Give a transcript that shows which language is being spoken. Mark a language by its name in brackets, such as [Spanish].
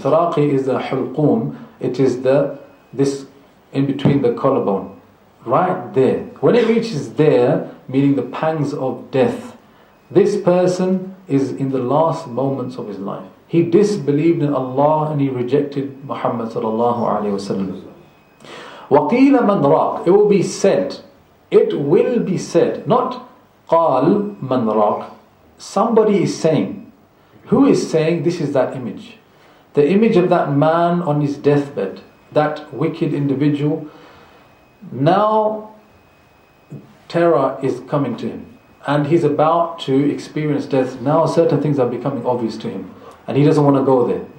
[English] Taraqi is the hulqum. It is this in between the collarbone. Right there. When it reaches there, meaning the pangs of death, this person is in the last moments of his life. He disbelieved in Allah and he rejected Muhammad sallallahu alaihi wasallam. [Arabic] وَقِيلَ مَنْ رَاقِ. [English] It will be said. It will be said. Not [Arabic] قَال مَنْ رَاقِ. [English] Somebody is saying. Who is saying this is that image? The image of that man on his deathbed. That wicked individual. Now terror is coming to him. And he's about to experience death. Now certain things are becoming obvious to him. And he doesn't want to go there.